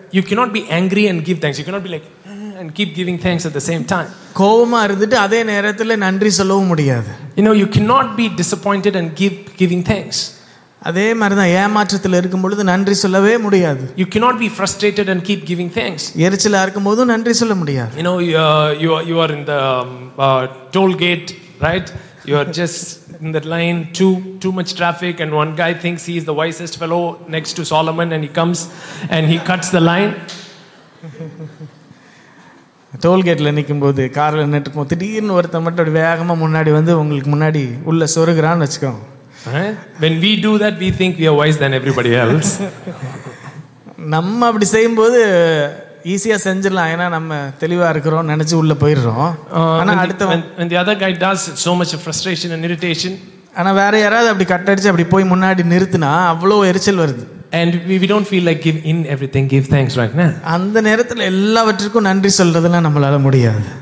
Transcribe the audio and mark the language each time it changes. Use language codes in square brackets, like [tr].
[en] You cannot be angry and give thanks, you cannot be like and keep giving thanks at the same time. [ta] கோவமா இருந்துட்டு அதே நேரத்துல நன்றி சொல்லவும் முடியாது. [en] You know, you cannot be disappointed and giving thanks. [ta] அதே மாதிரிதான் ஏமாற்றத்துல இருக்கும் பொழுது நன்றி சொல்லவே முடியாது. [en] You cannot be frustrated and keep giving thanks. [ta] எரிச்சலா இருக்கும் போது நன்றி சொல்ல முடியாது. [en] You know, you are in the toll gate, right? You are just in that line, too much traffic, and one guy thinks he is the wisest fellow next to Solomon, and he comes and he cuts the line. [ta] டோல்கேட்டில் நிற்கும் போது காரில் நின்றுட்டு போது திடீர்னு ஒருத்தன் மட்டும் அப்படி வேகமாக முன்னாடி வந்து உங்களுக்கு முன்னாடி உள்ள சொருகிறான்னு வச்சுக்கோ. [en] When we do that, we think we are wiser than everybody else. [ta] நம்ம அப்படி செய்யும்போது ஈஸியாக செஞ்சிடலாம், ஏன்னா நம்ம தெளிவாக இருக்கிறோம் நினச்சி உள்ளே போயிடுறோம். ஆனால் அடுத்த [en] when the other guy does so much frustration and irritation. [ta] ஆனால் வேற யாராவது அப்படி கட்டடிச்சு அப்படி போய் முன்னாடி நிறுத்தினா அவ்வளோ எரிச்சல் வருது. [en] And we don't feel like give in everything, give thanks right now. [ta] அந்த நேரத்துல எல்லாவற்றுக்கும் நன்றி சொல்றதெல்லாம் நம்மளால முடியாது.